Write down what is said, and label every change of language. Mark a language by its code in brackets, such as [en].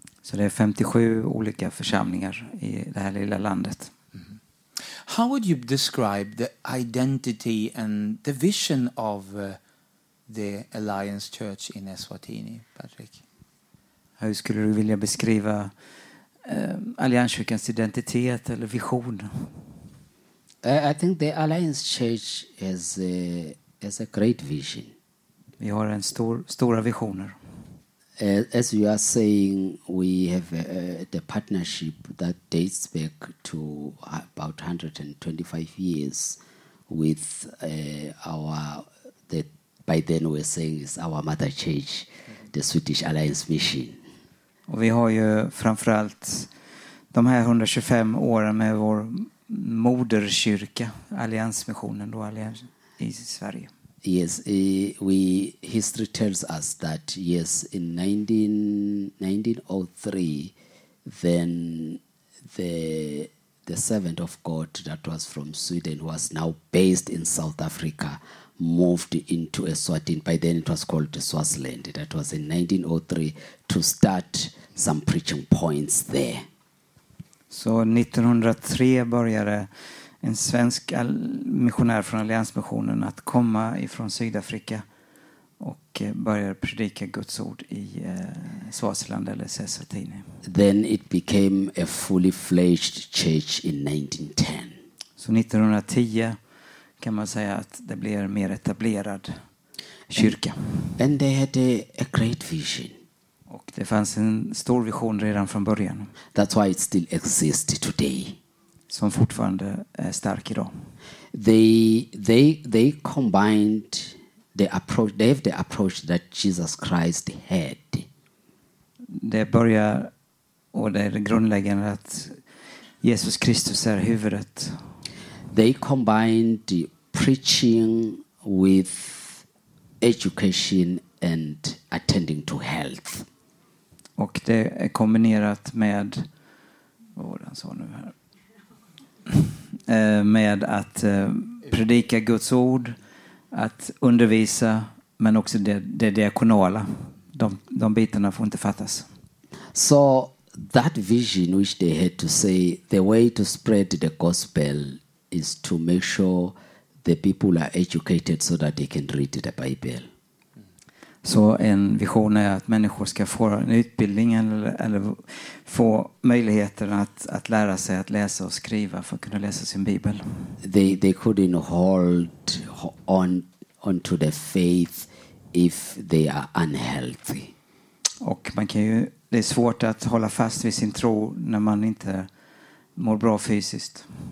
[sv] Så det är 57 olika församlingar i det här lilla landet. Mm-hmm. [en] How would you describe the identity and the vision of the Alliance Church in Eswatini, Patrick? [sv] Hur skulle du vilja beskriva Allianskyrkans identitet eller vision? [en] I think the Alliance Church is as a great vision. [sv] Vi har en stora visioner. [en] As you are saying, we have the partnership that dates back to about 125 years with our mother church, the Swedish Alliance Mission. [sv] Och vi har ju framförallt de här 125 åren med vår moderkyrka, Alliansmissionen då, Allians i Sverige. [en] Yes, history tells us that yes, in 1903, then the servant of God that was from Sweden, was now based in South Africa, moved into Eswatini. By then it was called Swaziland. That was in 1903 to start some preaching points there. [sv] Så 1903 började en svensk missionär från Alliansmissionen att komma ifrån Sydafrika och började predika Guds ord i Swaziland eller Eswatini. [en] Then it became a fully fledged church in 1910. [sv] Så 1910 kan man säga att det blev mer etablerad kyrka. [en] And they had a great vision. [sv] Och det fanns en stor vision redan från början. [en] That's why it still exists today. [sv] Som fortfarande är stark idag. [en] They combined the approach, they have the approach that Jesus Christ had. [sv] Det börjar och det är det grundläggande att Jesus Kristus är huvudet. [en] They combined the preaching with education and attending to health. [sv] Och det är kombinerat med vad var det han sa nu här? Med att predika Guds ord, att undervisa, men också det diakonala. De bitarna får inte fattas. [en] So that vision which they had to say the way to spread the gospel is to make sure the people are educated so that they can read the Bible. [sv] Så en vision är att människor ska få en utbildning eller få möjligheten att lära sig att läsa och skriva för att kunna läsa sin bibel. [en] They couldn't hold on to the faith if they are unhealthy. [sv] Och man kan ju, det är svårt att hålla fast vid sin tro när man inte mår bra fysiskt.